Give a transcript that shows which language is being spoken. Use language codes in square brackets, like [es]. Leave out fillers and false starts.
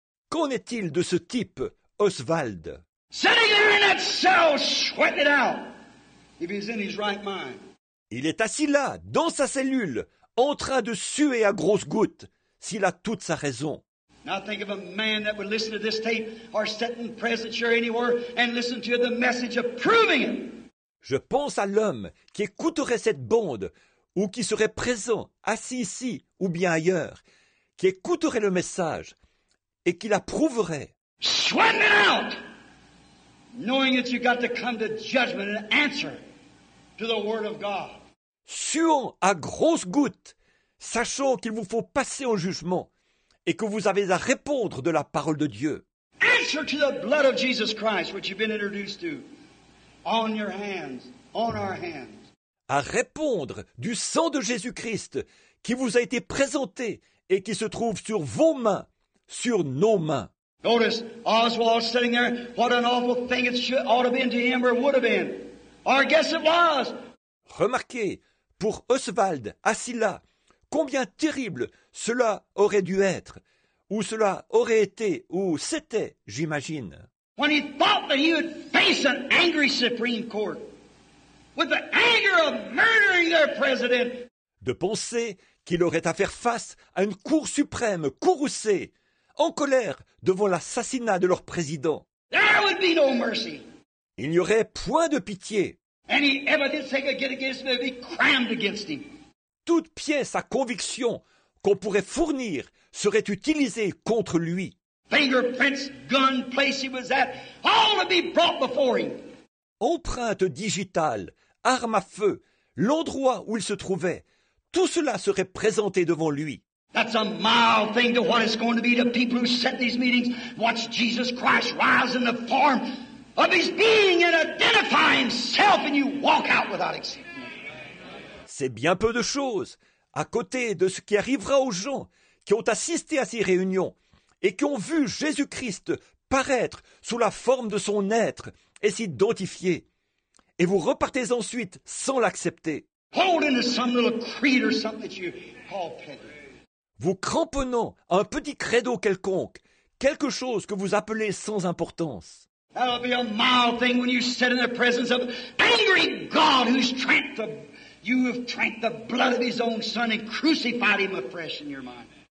[fr] Qu'en est-il de ce type, Oswald? [en] Sitting there in that cell, sweating it out, if he's in his right mind. [fr] Il est assis là, dans sa cellule, en train de suer à grosses gouttes, s'il a toute sa raison. [en] Now think of a man that would listen to this tape or sit in presence or anywhere and listen to the message of proving it. [fr] Je pense à l'homme qui écouterait cette bande ou qui serait présent, assis ici ou bien ailleurs, qui écouterait le message et qui l'approuverait. [en] Sweating it out, knowing that you got to come to judgment and answer to the word of God. [fr] Suant à grosses gouttes, sachant qu'il vous faut passer en jugement et que vous avez à répondre de la parole de Dieu. [en] Answer to the blood of Jesus Christ, which you've been introduced to. On your hands, on our hands. [fr] À répondre du sang de Jésus-Christ qui vous a été présenté et qui se trouve sur vos mains, sur nos mains. [en] Notice Oswald sitting there, what an awful thing it should, ought to be to him or would have been. Or I guess it was. [fr] Remarquez, pour Oswald, assis là, combien terrible cela aurait dû être, ou cela aurait été, ou c'était, j'imagine. [en] When he thought that he would face an angry Supreme Court, with the anger of murdering their president. [fr] De penser qu'il aurait à faire face à une cour suprême courroucée, en colère devant l'assassinat de leur président. [en] There would be no mercy. [fr] Il n'y aurait point de pitié. [en] Any evidence they could get against me would be crammed against him. [fr] Toute pièce à conviction qu'on pourrait fournir serait utilisée contre lui. [en] Fingerprints, gun, place he was at, all would be brought before him. [fr] Empreinte digitale, arme à feu, l'endroit où il se trouvait, tout cela serait présenté devant lui. [en] That's a mild thing to what it's going to be to people who set these meetings, watch Jesus Christ rise in the form of his being and identify himself, and you walk out without exception. [fr] C'est bien peu de choses à côté de ce qui arrivera aux gens qui ont assisté à ces réunions et qui ont vu Jésus-Christ paraître sous la forme de son être et s'identifier. Et vous repartez ensuite sans l'accepter. [en] Hold into some little creed or something that you call petty. [fr] Vous cramponnant à un petit credo quelconque, quelque chose que vous appelez sans importance. [en] That'll be a mild thing when you sit in the presence of angry God who's drank the, you have drank the blood of his own son and crucified him afresh in your mind.